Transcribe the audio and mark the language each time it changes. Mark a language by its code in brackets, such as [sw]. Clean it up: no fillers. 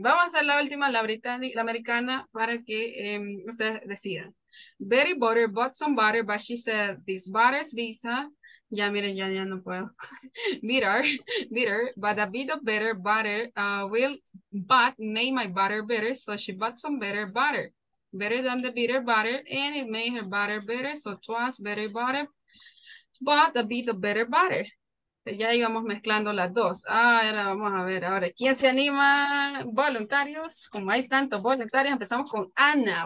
[es] Vamos a hacer la última, la americana, para que ustedes decidan. [en] Betty butter bought some butter, but she said this butter's bitter. [es] Ya miren, ya no puedo. [en] bitter, but a bit of better butter but made my butter better, so she bought some better butter. Better than the bitter butter, and it made her butter better, so it was better butter, but a bit of better butter. [es] Ya íbamos mezclando las dos. Ahora vamos a ver, ahora, ¿quién se anima? Voluntarios, como hay tantos voluntarios, empezamos con Ana.